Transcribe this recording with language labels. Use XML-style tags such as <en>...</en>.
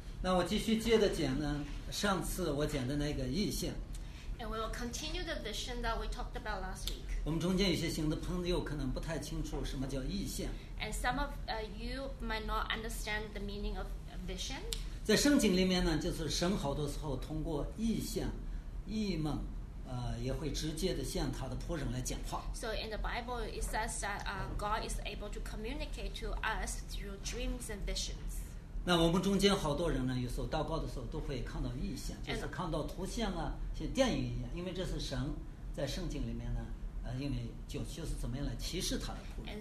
<zh>那我继续接着讲呢，上次我讲的那个意象。</zh> <en>And we will continue the vision that we talked about last week.</en> <zh>我们中间有些新的朋友可能不太清楚什么叫异象。</zh> <en>And some of you might not understand the meaning of vision.</en> <zh>在圣经里面呢，就是神好多时候通过异象、异梦，也会直接的向他的仆人来讲话。</zh> <en>So in the Bible, it says that God is able to communicate to us through dreams and visions.</en> <zh>那我们中间好多人呢，有时候祷告的时候都会看到异象，就是看到图像啊。像电影一样，因为这是神在圣经里面呢，因为就是怎么样来启示他的仆人。</zh>